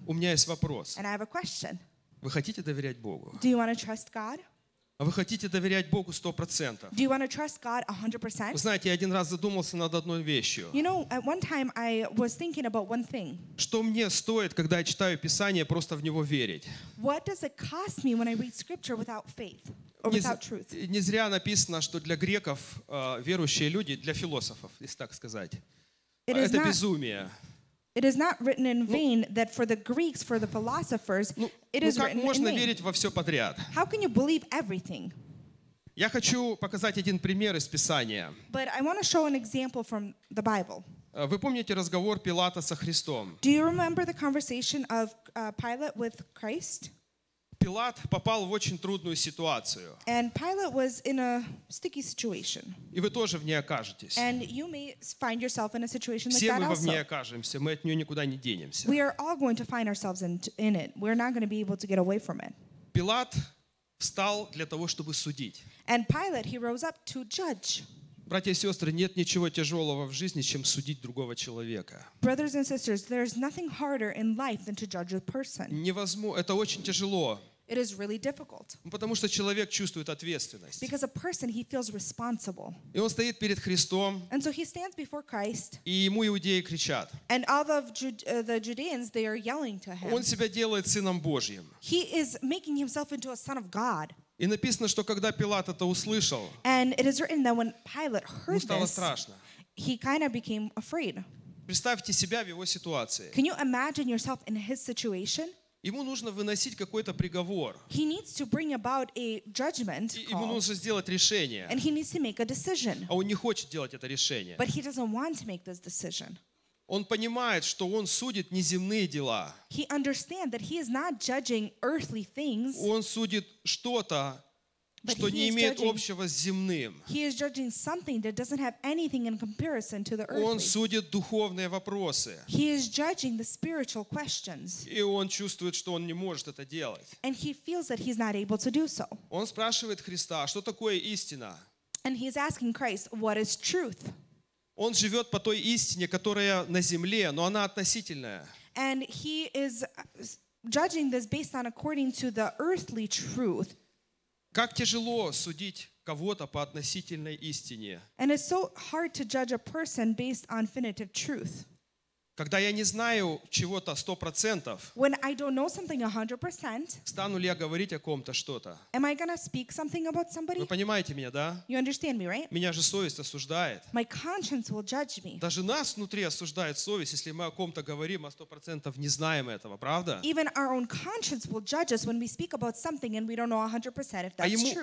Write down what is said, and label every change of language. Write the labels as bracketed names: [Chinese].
[Russian] У меня есть вопрос. [English] And I have a question. [Russian] Вы хотите доверять Богу? [English] Do you want to trust God? [Russian] А вы хотите доверять Богу 100%? [English] Do you want to trust God 100%? [Russian] Вы знаете, я один раз задумался над одной вещью. [English] You know, at one time I was thinking about one thing. [Russian] Что мне стоит, когда я читаю Писание, просто в него верить? [English] What does it cost me when I read scripture without faith? Or without truth? [Russian] Не зря написано, что для греков верующие люди, для философов, если так сказать, это безумие. [English] It is not written in vain that for the Greeks, for the philosophers, it is written in vain. [Russian] Как можно верить во все подряд? [English] How can you believe everything? [Russian] Я хочу показать один пример из Писания. [English] But I want to show an example from the Bible. [Russian] Вы помните разговор Пилата со Христом? [English] Do you remember the conversation of Pilate with Christ? [Russian] Пилат попал в очень трудную ситуацию. [English] And Pilate was in a sticky situation. [Russian] И вы тоже в ней окажетесь. [English] And you may find yourself in a situation like that also. [Russian] Все мы в ней окажемся, мы от нее никуда не денемся. [English] We are all going to find ourselves in it. We're not going to be able to get away from it. [Russian] Пилат встал для того, чтобы судить. [English] And Pilate, he rose up to judge. [Russian] Братья и сестры, нет ничего тяжелого в жизни, чем судить другого человека. [English] Brothers and sisters, there is nothing harder in life than to judge a person. [Russian] Это очень тяжело. [English] It is really difficult. [Russian] Потому что человек чувствует ответственность. [English] Because a person, he feels responsible. [Russian] И он стоит перед Христом. [English] And so he stands before Christ. [Russian] И ему иудеи кричат. [English] And all of the Judeans, they are yelling to him. [Russian] Он себя делает сыном Божьим. [English] He is making himself into a son of God. [Russian] И написано, что когда Пилат это услышал, ему стало страшно. [English] He kind of became afraid. [Russian] Представьте себя в его ситуации. [English] Can you imagine yourself in his situation? [Russian] Ему нужно выносить какой-то приговор. [English] He needs to bring about a judgment call. [Russian] Ему нужно сделать решение. [English] And he needs to make a decision. [Russian] А он не хочет делать это решение. [English] But he doesn't want to make this decision. [Russian] Он понимает, что он судит неземные дела. [English] He understands that he is not judging earthly things. [Russian] Он судит что-то, что не имеет общего с земным. [English] He is judging something that doesn't have anything in comparison to the earthly. [Russian] Он судит духовные вопросы. [English] He is judging the spiritual questions. [Russian] И он чувствует, что он не может это делать. [English] And he feels that he's not able to do so. [Russian] Он спрашивает Христа, что такое истина? [English] And he is asking Christ, what is truth? [Russian] Он живет по той истине, которая на земле, но она относительная. [English] And he is judging this based on according to the earthly truth. [Russian] Как тяжело судить кого-то по относительной истине. [English] And it's so hard to judge a person based on finitive truth. [Russian] Когда я не знаю чего-то 100%, [English] when I don't know something 100%, [Russian] стану ли я говорить о ком-то что-то? [English] Am I gonna speak something about somebody? [Russian] Вы понимаете меня, да? [English] You understand me, right? [Russian] Меня же совесть осуждает. [English] My conscience will judge me. [Russian] Даже нас внутри осуждает совесть, если мы о ком-то говорим, а 100% не знаем этого, правда? [English] Even our own conscience will judge us when we speak about something and we don't know 100% if that's true.